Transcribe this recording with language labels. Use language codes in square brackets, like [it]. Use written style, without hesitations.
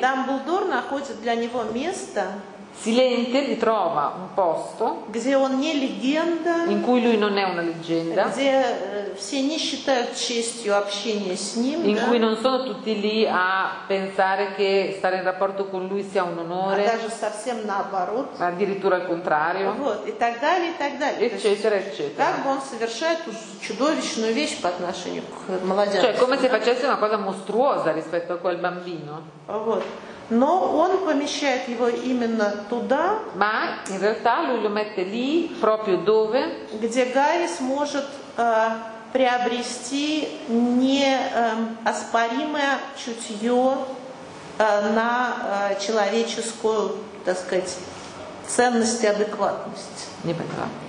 [ru] Дамблдор находит для него место. [it] Silente gli trova un posto in cui lui non è una leggenda, in cui non sono tutti lì a pensare che stare in rapporto con lui sia un onore, addirittura al contrario, eccetera eccetera, cioè come se facesse una cosa mostruosa rispetto a quel bambino. [ru] Но он помещает его именно туда. [it] Ma in realtà lui lo mette lì proprio dove? [ru] Где Гарри сможет приобрести неоспоримое чутье на человеческую, так сказать, ценность и адекватность. Не поняла.